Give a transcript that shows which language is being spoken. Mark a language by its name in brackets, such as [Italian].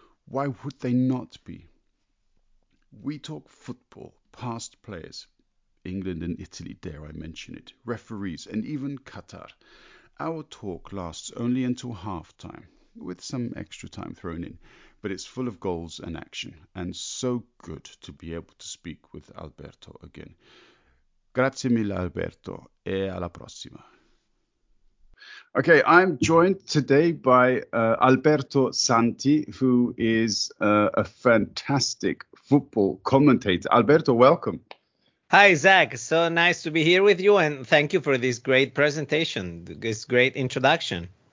[English] Why would they not be? We talk football, past players, England and Italy, dare I mention it, referees, and even Qatar. Our talk lasts only until halftime, with some extra time thrown in, but it's full of goals and action, and so good to be able to speak with Alberto again. [Italian] Grazie mille Alberto, e alla prossima. [English] Okay, I'm joined today by Alberto Santi, who is a fantastic football commentator. Alberto, welcome. Hi, Zach. So nice to be here with you, and thank you for this great presentation, this great introduction.